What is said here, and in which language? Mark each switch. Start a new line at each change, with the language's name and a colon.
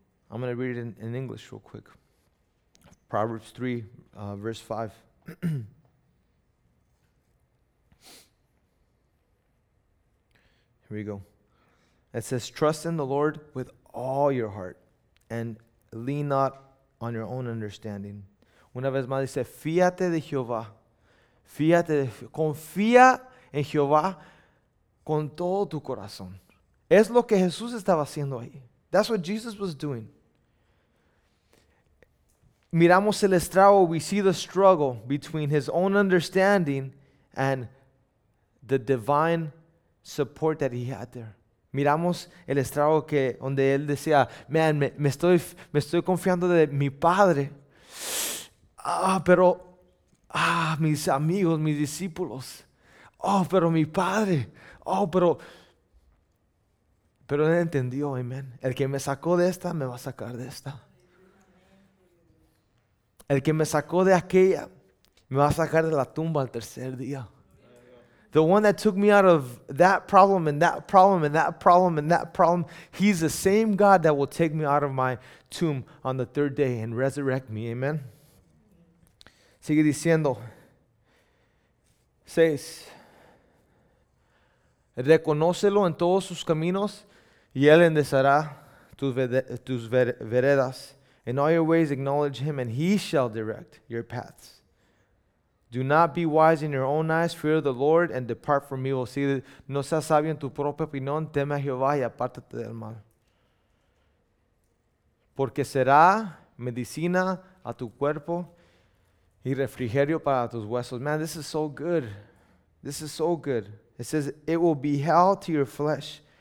English: I'm going to read it in English real quick. Proverbs 3, verse 5. Here we go. It says, trust in the Lord with all your heart and lean not on your own understanding.
Spanish: Una vez más dice, fíate de Jehová. Fíate, confía en Jehová con todo tu corazón. Es lo que Jesús estaba haciendo ahí.
English: That's what Jesus was doing.
Spanish: Miramos el estrago,
English: we see the struggle between his own understanding and the divine support that he had there.
Spanish: Miramos el estrago que donde él decía, man, me estoy confiando de mi padre, pero mis amigos, mis discípulos, pero mi padre, pero él entendió, amén. El que me sacó de esta, me va a sacar de esta. El que me sacó de aquella, me va a sacar de la tumba al tercer día.
English: The one that took me out of that problem and that problem and that problem and that problem, he's the same God that will take me out of my tomb on the third day and resurrect me.
Spanish: Amen. Sigue diciendo. 6. Reconócelo en todos sus caminos y él enderezará tus veredas.
English: In all your ways acknowledge him and he shall direct your paths. Do not be wise in your own eyes. Fear the Lord and depart from evil.
Spanish: Si no seas sabio en tu propia opinión, teme a Jehová y apártate del mal. Porque será medicina a tu cuerpo y refrigerio para tus huesos.
English: Man, this is so good. This is so good. It says, it will be hell to your flesh.